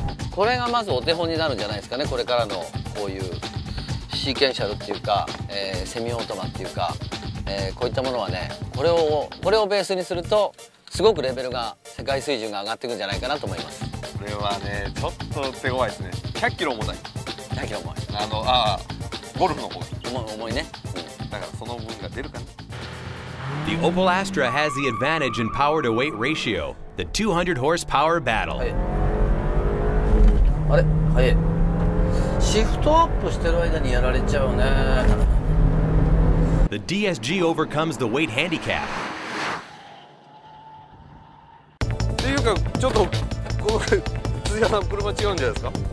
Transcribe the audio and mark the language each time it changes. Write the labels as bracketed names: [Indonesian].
[Japanese] これがまずお手本になるんじゃないですかね。これからのこういうシーケンシャルっていうか、セミオートマっていうか、こういったものはね、これをベースにするとすごくレベルが世界水準が上がっていくんじゃないかなと思います。これはねちょっと手強いですね。 100キロ重たい。 100キロ重い。あのあゴルフの方が重いね、うん、だからその分が出るかな。 [English] The Opel Astra has the advantage in power to weight ratio, the 200 horsepower battle. [Japanese] あれ、早い。シフトアップしてる間にやられちゃうね。 [English] The DSG overcomes the weight handicap. [Japanese] っていうか、ちょっとこの辻さん車違うんじゃないですか。